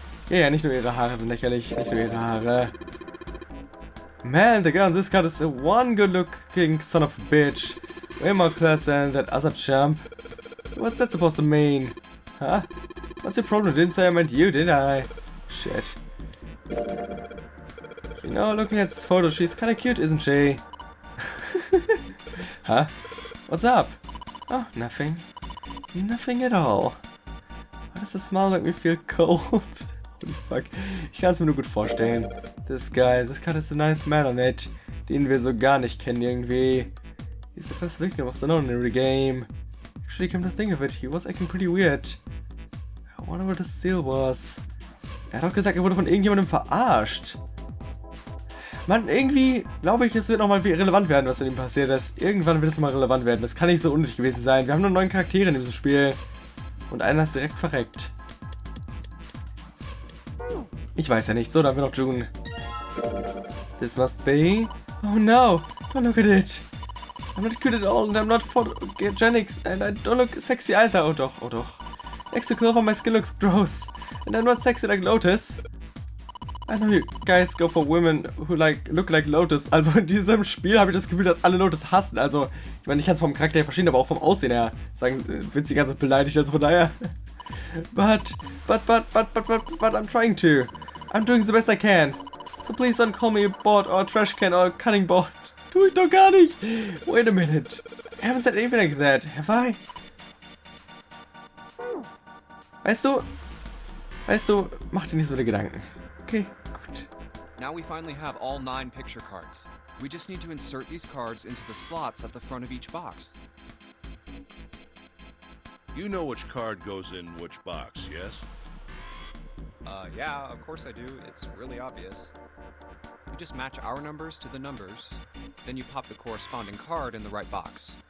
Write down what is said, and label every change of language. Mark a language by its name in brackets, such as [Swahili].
[German] Ja, ja, nicht nur ihre Haare sind lächerlich, nicht nur ihre Haare. [English] Man, the girl on this card is a one good looking son of a bitch. Way more class than that other chump. What's that supposed to mean? Huh? What's your problem? Didn't say I meant you, did I? Shit. You know, looking at this photo, she's kinda cute, isn't she? Huh? What's up? Oh, nothing. Nothing at all. Why does the smile make me feel cold? [German] Fuck, ich kann es mir nur gut vorstellen. Das ist geil, das Card ist der [English] 9th Man on it, [German] den wir so gar nicht kennen irgendwie. [English] He's the first victim of the non-ordinary game. Actually, come to think of it, he was acting pretty weird. I wonder what the deal was. [German] Er hat auch gesagt, er wurde von irgendjemandem verarscht. Mann, irgendwie glaube ich, es wird nochmal relevant werden, was in ihm passiert ist. Irgendwann wird es mal relevant werden, das kann nicht so unnötig gewesen sein. Wir haben nur 9 Charaktere in diesem Spiel. Und einer ist direkt verreckt. Ich weiß ja nicht. So, dann wir noch [English] June. This must be... Oh no! Don't look at it! I'm not cute at all and I'm not photogenic and I don't look sexy either. [German] Oh doch, oh doch. [English] Next to Clover, my skin looks gross. And I'm not sexy like Lotus. I know you guys go for women who look like Lotus. [German] Also in diesem Spiel habe ich das Gefühl, dass alle Lotus hassen. Also, ich meine, ich kann es vom Charakter her verstehen, aber auch vom Aussehen her. Sagen, wird sie ganz beleidigt, also von daher... [English] But I'm trying to. I'm doing the best I can. So please don't call me a bot or a trash can or a cutting board. [German] Tu ich doch gar nicht. [English] Wait a minute. I haven't said anything like that, have I? [German] Weißt du, mach dir nicht so viele Gedanken. Okay, gut. [English] Now we finally have all 9 picture cards. We just need to insert these cards into the slots at the front of each box. You know which card goes in which box, yes? Yeah, of course I do. It's really obvious. You just match our numbers to the numbers, then you pop the corresponding card in the right box.